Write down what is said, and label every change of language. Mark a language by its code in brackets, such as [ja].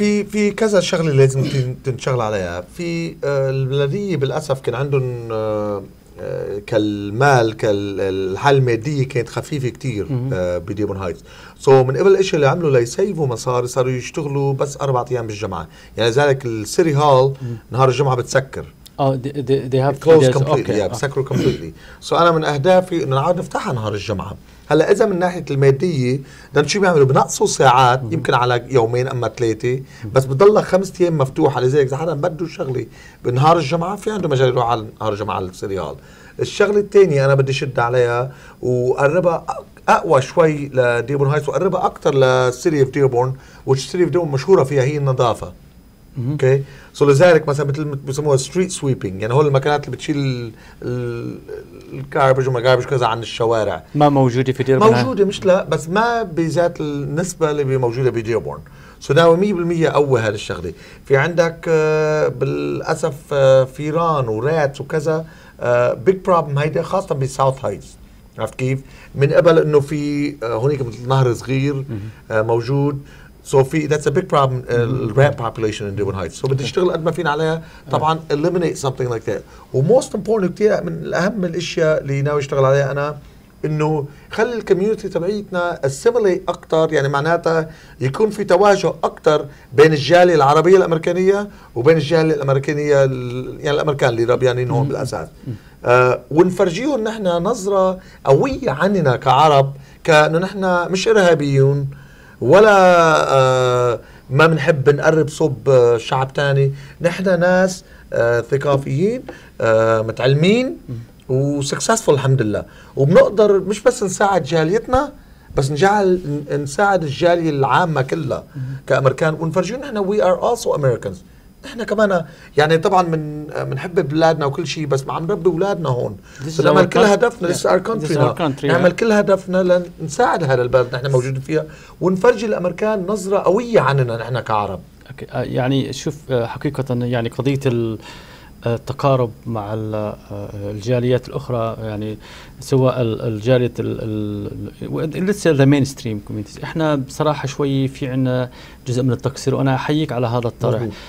[ar] في كذا شغله لازم تنشغل عليها. في البلدية بالاسف كان عندهم كالمال كالحال المادية كانت خفيفة كتير بديبون هايتس. سو من قبل الاشي اللي عملوا ليسيفوا مصاري صاروا يشتغلوا بس اربعة ايام بالجمعة. يعني ذلك السيري هال نهار الجمعة بتسكر. [en] They have closed completely. Yeah, [ar] بسكروا [en] completely. [ar] سو انا من اهدافي ان نعاود نفتحها نهار الجمعة. هلا اذا من ناحية المادية بدنا شو بيعملوا؟ بنقصوا ساعات يمكن على يومين اما ثلاثة بس بتضلها خمس ايام مفتوحة. لذلك اذا حدا بده شغلة بنهار الجمعة في عنده مجال يروح على نهار الجمعة على السريال. الشغلة الثانية انا بدي شد عليها وقربها اقوى شوي لديبورن هايتس وقربها اكثر للسيتي اوف ديبورن وتش سيتي اوف ديبورن مشهورة فيها هي النظافة. اوكي سو لذلك مثلا مثل بسموها ستريت سويبينج يعني هول المكانات اللي بتشيل الكاربج وما كاربج كذا عن الشوارع ما موجوده في ديربورن موجوده مش لا بس ما بذات النسبه اللي موجوده بديربورن. سو ناوي 100% قوي هالشغله. في عندك بالاسف فيران ورات وكذا بيج بروبلم هيدا خاصه بساوث هايتس. عرفت كيف؟ من قبل انه في هناك مثل نهر صغير موجود. [en] So that's a big problem, the rat population in Dubon Heights. So [ar] بدي اشتغل قد ما فينا عليها طبعا [en] eliminate something like that. [ar] و [en] most important [ar] كتير من الأهم الأشياء اللي ناوي اشتغل عليها أنا إنه خلي الكوميونتي تبعيتنا assimilate أكتر. يعني معناتها يكون في تواجه أكتر بين الجالية العربية الأمريكانية وبين الجالية الأمريكانية يعني الأمريكان اللي ربيانين هون بالأساس. ونفرجيهم نحن نظرة قوية عننا كعرب كأنه نحن مش إرهابيون ولا ما منحب نقرب صوب شعب تاني. نحن ناس ثقافيين متعلمين وسكسسفل الحمد لله وبنقدر مش بس نساعد جاليتنا بس نساعد الجالية العامة كلها كأمريكان ونفرجيهم نحن [en] we are also Americans. [ar] نحن كمان يعني طبعا منحب بلادنا وكل شيء بس ما عم نربي اولادنا هون. نعمل كل هدفنا [en] this is our country. [ar] نعمل كل هدفنا لنساعد هذا البلد نحن موجودين فيها ونفرجي الامريكان نظره قويه عننا نحن كعرب. يعني شوف حقيقه يعني قضيه التقارب مع الجاليات الاخرى يعني سواء الجاليه لسه ذا مين ستريم كوميونتيز احنا بصراحه شوي في عنا جزء من التقصير وانا احييك على هذا الطرح.